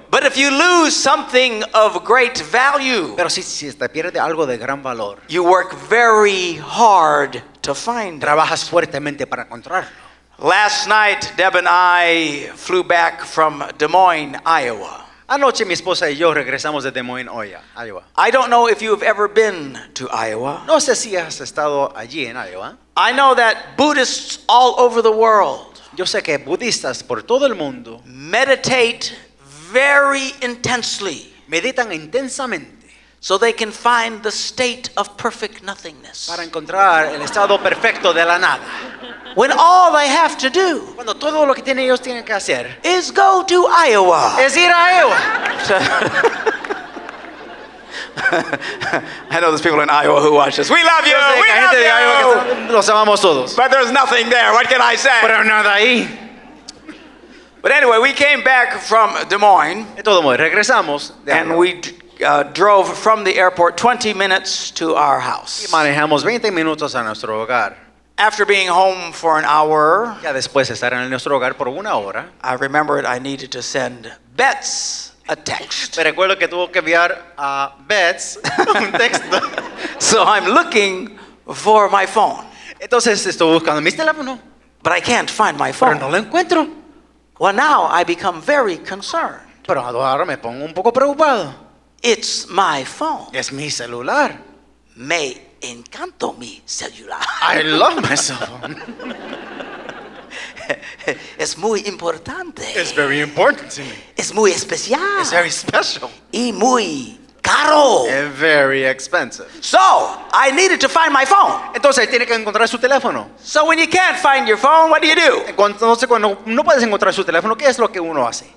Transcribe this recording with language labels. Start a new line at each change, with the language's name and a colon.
English: But if you lose something of great value,
Spanish: pero si te pierde algo de gran valor,
English: you work very hard to find.
Spanish: Trabajas fuertemente para encontrarlo.
English: Last night, Deb and I flew back from Des Moines, Iowa.
Spanish: Anoche mi esposa y yo regresamos de Des Moines, Iowa.
English: I don't know if you've ever been to Iowa.
Spanish: No sé si has estado allí en Iowa.
English: I know that Buddhists all over the world.
Spanish: Yo sé que budistas por todo el mundo
English: meditate very intensely.
Spanish: Meditan intensamente.
English: So they can find the state of perfect nothingness.
Spanish: Para encontrar el estado perfecto de la nada.
English: When all they have to do,
Spanish: cuando todo lo que ellos tienen que hacer,
English: is go to Iowa.
Spanish: Es ir a Iowa.
English: I know there's people in Iowa who watch this. We love you. We love you.
Spanish: Los amamos todos.
English: But there's nothing there. What can I say?
Spanish: Pero nada ahí.
English: But anyway, we came back from Des Moines.
Spanish: En todo modo, regresamos de
English: Iowa. And we drove from the airport 20 minutes to our house.
Spanish: Y manejamos 20 minutos a nuestro hogar.
English: After being home for an hour,
Spanish: ya después de estar en nuestro hogar por una hora,
English: I remembered I needed to send Bets a text.
Spanish: Me recuerdo que tuvo que enviar a Bets un texto.
English: So I'm looking for my phone.
Spanish: Entonces estoy buscando mi teléfono.
English: But I can't find my phone.
Spanish: Pero no lo encuentro.
English: Well, now I become very concerned.
Spanish: Pero ahora me pongo un poco preocupado.
English: It's my phone.
Spanish: Es mi celular. Me encanto mi celular.
English: I love my cell phone.
Spanish: Es muy importante.
English: It's very important to me.
Spanish: Es muy especial.
English: It's very special.
Spanish: Y muy caro.
English: And very expensive. So, I needed to find my phone.
Spanish: Entonces, tiene que encontrar su teléfono.
English: So, when you can't find your phone, what do you do?
Spanish: Cuando no puedes encontrar su teléfono, ¿qué es lo que uno hace?